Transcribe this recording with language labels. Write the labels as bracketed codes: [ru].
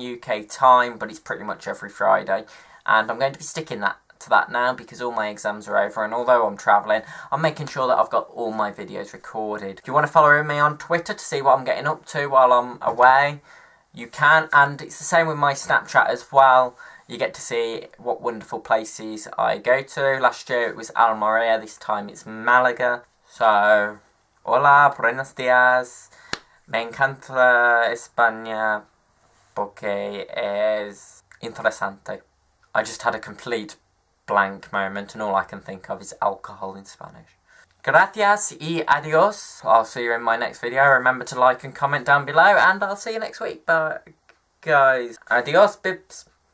[en] UK time, but it's pretty much every Friday. And I'm going to be sticking to that now, because all my exams are over, and although I'm travelling, I'm making sure that I've got all my videos recorded. If you want to follow me on Twitter to see what I'm getting up to while I'm away, you can, and it's the same with my Snapchat as well. You get to see what wonderful places I go to. Last year it was Almería, this time it's Malaga. [es] So, hola, buenos días, me encanta España, porque es interesante. [en] I just had a complete blank moment, and all I can think of is alcohol in Spanish. [es] Gracias y adios. [en] I'll see you in my next video. Remember to like and comment down below, and I'll see you next week. Bye, guys. [es] Adios, [en] bibs.